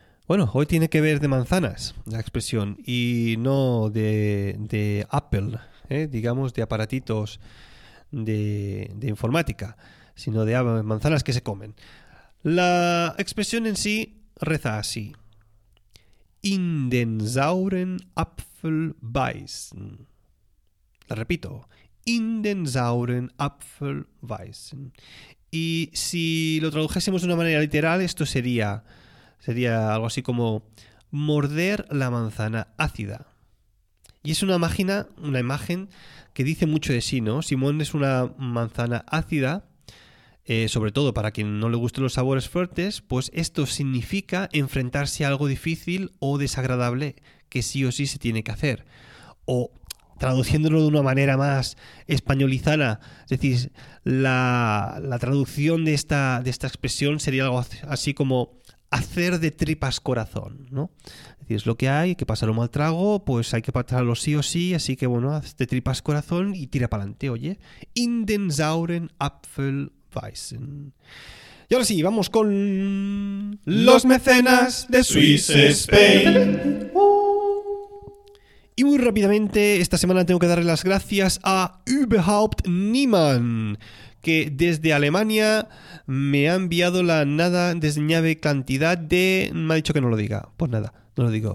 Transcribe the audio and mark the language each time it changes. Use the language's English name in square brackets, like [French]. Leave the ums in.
[Spanish] Bueno, hoy tiene que ver de manzanas la expresión y no de, de Apple, ¿eh? digamos de aparatitos de, de informática, sino de ab- manzanas que se comen. La expresión en sí reza así. [German] In den sauren Apfel beißen. [Spanish] La repito. [German] In den sauren Apfel beißen. [Spanish] Y si lo tradujésemos de una manera literal, esto sería, sería algo así como morder la manzana ácida. Y es una máquina, una imagen que dice mucho de sí, ¿no? Simón es una manzana ácida Eh, sobre todo para quien no le gusten los sabores fuertes, pues esto significa enfrentarse a algo difícil o desagradable que sí o sí se tiene que hacer. O traduciéndolo de una manera más españolizana, es decir, la, la traducción de esta, de esta expresión sería algo así como hacer de tripas corazón, ¿no? Es decir, es lo que hay, hay que pasar un mal trago, pues hay que pasarlo sí o sí, así que bueno, haz de tripas corazón y tira para adelante, oye. [German] In den sauren Apfel weißen. [Spanish] Y ahora sí, vamos con los mecenas de Swiss Spain. Y muy rápidamente, esta semana tengo que darle las gracias a Überhaupt Niemann, que desde Alemania me ha enviado la nada desdeñable cantidad de. Me ha dicho que no lo diga. Pues nada, no lo digo.